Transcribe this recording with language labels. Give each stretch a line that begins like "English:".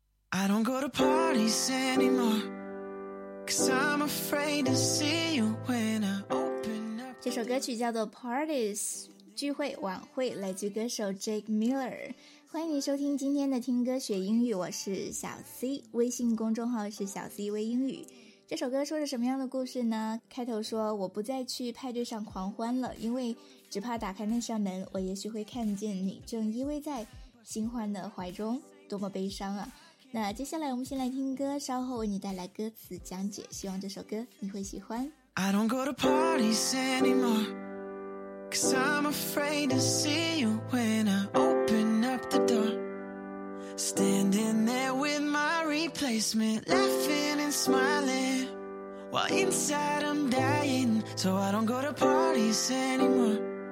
English: I don't go to parties anymore, cause I'm afraid to see you when I open up.
Chinese: 这首歌曲叫做 Parties， 聚会晚会，来自歌手 Jake Miller。欢迎你收听今天的听歌学英语，我是小 C， 微信公众号是小 C 微英语。这首歌说着什么样的故事呢？开头说，我不再去派对上狂欢了，因为只怕打开那扇门，我也许会看见你正依偎在新欢的怀中，多么悲伤啊。那接下来我们先来听歌，稍后为你带来歌词讲解，希望这首歌你会喜欢。
English: I don't go to parties anymore, cause I'm afraid to see you when I open up the door, standing there with my replacement, laughing and smiling while inside I'm dying, so I don't go to parties anymoreGet